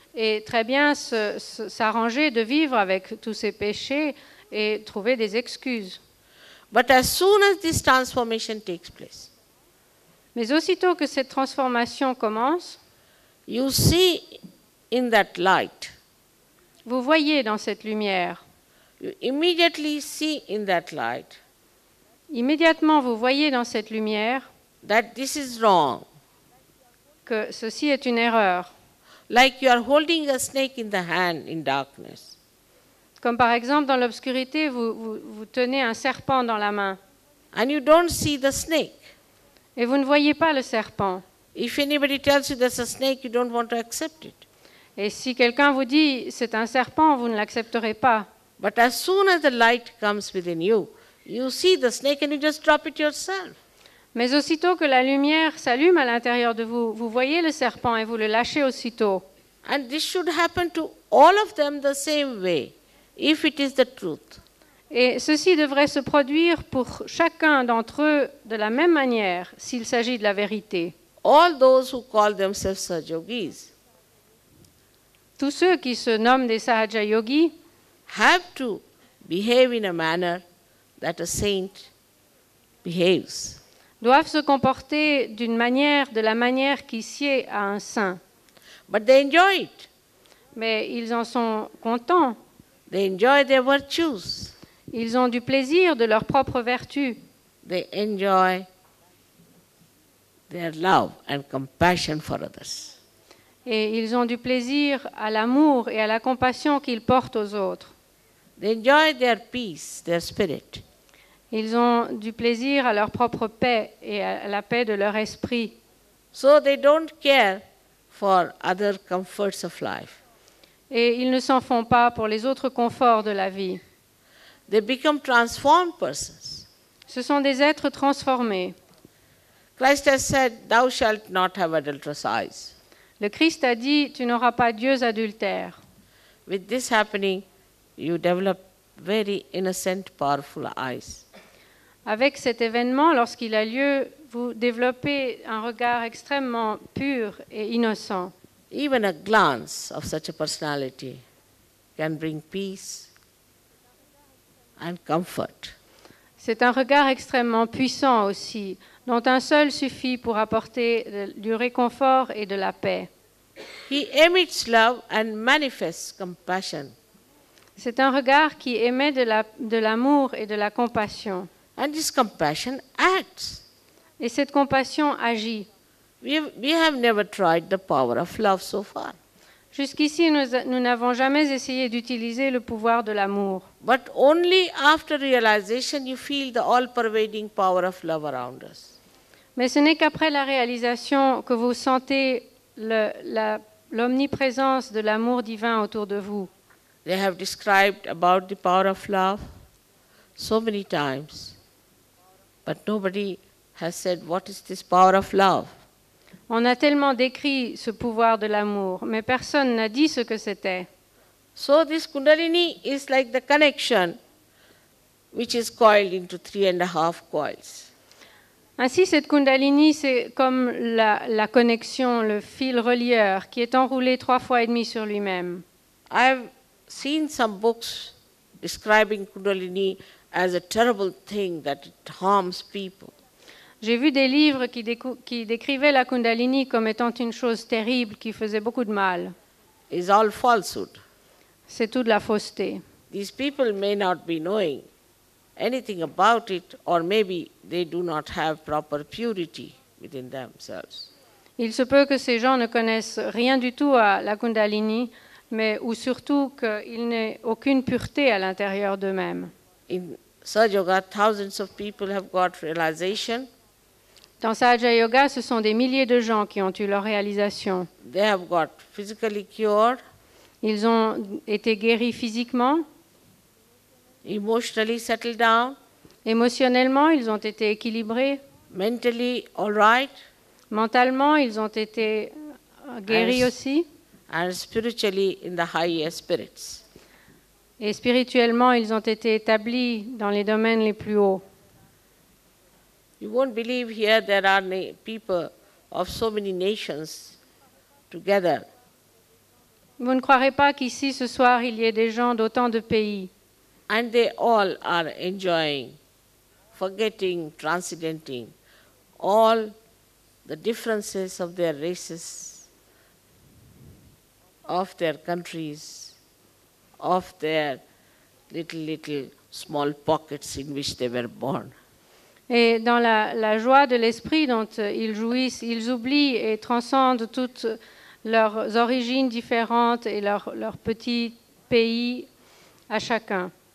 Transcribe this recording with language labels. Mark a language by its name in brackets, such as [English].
[French] Et très bien s'arranger de vivre avec tous ces péchés et trouver des excuses. [English] But as soon as this transformation takes place. [French] Mais aussitôt que cette transformation commence, [English] you see in that light. [French] Vous voyez dans cette lumière. [English] You immediately see in that light. [French] Immédiatement, vous voyez dans cette lumière [English] that this is wrong. [French] Que ceci est une erreur. [English] Like you are holding a snake in the hand in darkness. [French] Comme par exemple dans l'obscurité, vous tenez un serpent dans la main. [English] And you don't see the snake. [French] Et vous ne voyez pas le serpent. [English] If anybody tells you there's a snake, you don't want to accept it. [French] Et si quelqu'un vous dit c'est un serpent, vous ne l'accepterez pas. [English] But as soon as the light comes within you, you see the snake and you just drop it yourself. [French] Mais aussitôt que la lumière s'allume à l'intérieur de vous, vous voyez le serpent et vous le lâchez aussitôt. [English] And this should happen to all of them the same way, if it is the truth. [French] Et ceci devrait se produire pour chacun d'entre eux de la même manière, s'il s'agit de la vérité. [English] All those who call themselves sahajyogis. [French] Tous ceux qui se nomment des sahaja yogis [English] have to behave in a manner that a saint behaves. [French] Doivent se comporter d'une manière, de la manière qui sied à un saint. [English] But they enjoy it. [French] Mais ils en sont contents. [English] They enjoy their virtues. [French] Ils ont du plaisir de leurs propres vertus. [English] They enjoy their love and compassion for others. [French] Et ils ont du plaisir à l'amour et à la compassion qu'ils portent aux autres. [English] They enjoy their peace, their spirit. [French] Ils ont du plaisir à leur propre paix et à la paix de leur esprit. [English] So they don't care for other comforts of life. [French] Et ils ne s'en font pas pour les autres conforts de la vie. [English] They become transformed persons. [French] Ce sont des êtres transformés. [English] Christ has said, thou shalt not have adulterous eyes. [French] Le Christ a dit, tu n'auras pas d'yeux adultères. [English] With this happening, you develop very innocent, powerful eyes. [French] Avec cet événement, lorsqu'il a lieu, vous développez un regard extrêmement pur et innocent. [English] Even a glance of such a personality can bring peace and comfort. [French] C'est un regard extrêmement puissant aussi, dont un seul suffit pour apporter du réconfort et de la paix. [English] He emits love and manifests compassion. [French] C'est un regard qui émet de l'amour et de la compassion. [English] And this compassion acts. [French] Et cette compassion agit. [English] We have never tried the power of love so far. [French] Jusqu'ici, nous n'avons jamais essayé d'utiliser le pouvoir de l'amour. [English] But only after realization you feel the all-pervading power of love around us. [French] Mais ce n'est qu'après la réalisation que vous sentez l'omniprésence de l'amour divin autour de vous. [English] They have described about the power of love so many times. But nobody has said, what is this power of love? [French] On a tellement décrit ce pouvoir de l'amour, mais personne n'a dit ce que c'était. [English] So this kundalini is like the connection which is coiled into 3.5 coils. [French] Ainsi, cette kundalini, c'est comme la connexion, le fil relieur, qui est enroulé 3.5 sur lui-même. [English] I have seen some books describing kundalini as a terrible thing that it harms people. [French] J'ai vu des livres qui décrivaient la kundalini comme étant une chose terrible qui faisait beaucoup de mal. [English] It's all falsehood. [French] C'est tout de la fausseté. [English] These people may not be knowing anything about it, or maybe they do not have proper purity within themselves. [French] Il se peut que ces gens ne connaissent rien du tout à la Kundalini, mais ou surtout qu'ils n'aient aucune pureté à l'intérieur d'eux-mêmes. [English] In Sahaja Yoga, thousands of people have got realization. [French] Dans Sahaja Yoga, ce sont des milliers de gens qui ont eu leur réalisation. [English] They have got physically cured. [French] Ils ont été guéris physiquement. [English] Emotionally settled down. [French] Émotionnellement, ils ont été équilibrés. [English] Mentally, all right. [French] Mentalement, ils ont été guéris aussi. [English] And spiritually in the higher spirits. [French] Et spirituellement, ils ont été établis dans les domaines les plus hauts. [English] You won't believe here there are people of so many nations together. [French] Vous ne croirez pas qu'ici ce soir il y ait des gens d'autant de pays. [English] And they all are enjoying, forgetting, transcending all the differences of their races, of their countries, of their little small pockets in which they were born. [French] Et dans la joie de l'esprit dont ils jouissent, ils oublient et transcendent toutes leurs origines différentes et leurs petits pays à chacun.